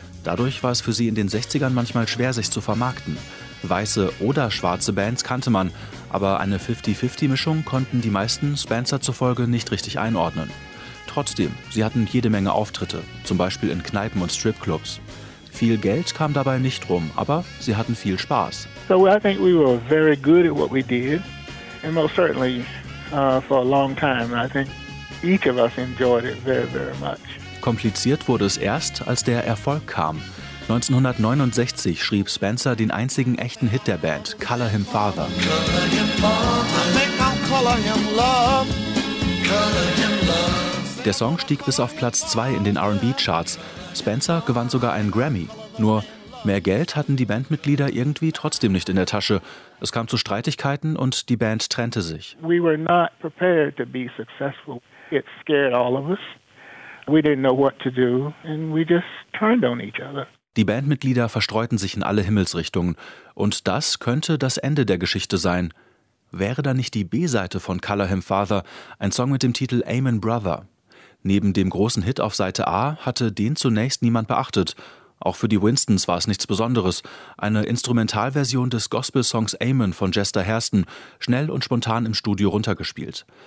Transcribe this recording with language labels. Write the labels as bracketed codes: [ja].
[de] Dadurch war es für sie in den 60ern manchmal schwer, sich zu vermarkten. Weiße oder schwarze Bands kannte man, aber eine 50-50-Mischung konnten die meisten Spencer zufolge nicht richtig einordnen. Trotzdem, sie hatten jede Menge Auftritte, zum Beispiel in Kneipen und Stripclubs. Viel Geld kam dabei nicht rum, aber sie hatten viel Spaß. [en] So I think we were very good at what we did. And most certainly for a long time, I think each of us enjoyed it very, very much. [de] Kompliziert wurde es erst, als der Erfolg kam. 1969 schrieb Spencer den einzigen echten Hit der Band, Color Him Father. [en] Color him father, I think I'll color him love. Color him love. [de] Der Song stieg bis auf Platz 2 in den R&B-Charts. Spencer gewann sogar einen Grammy. Nur mehr Geld hatten die Bandmitglieder irgendwie trotzdem nicht in der Tasche. Es kam zu Streitigkeiten und die Band trennte sich. [en] We were not prepared to be successful. It scared all of us. We didn't know what to do and we just turned on each other. [de] Die Bandmitglieder verstreuten sich in alle Himmelsrichtungen. Und das könnte das Ende der Geschichte sein. Wäre da nicht die B-Seite von Color Him Father, ein Song mit dem Titel Amen Brother? Neben dem großen Hit auf Seite A hatte den zunächst niemand beachtet. Auch für die Winstons war es nichts Besonderes. Eine Instrumentalversion des Gospelsongs Amen von Jester Hairston, schnell und spontan im Studio runtergespielt.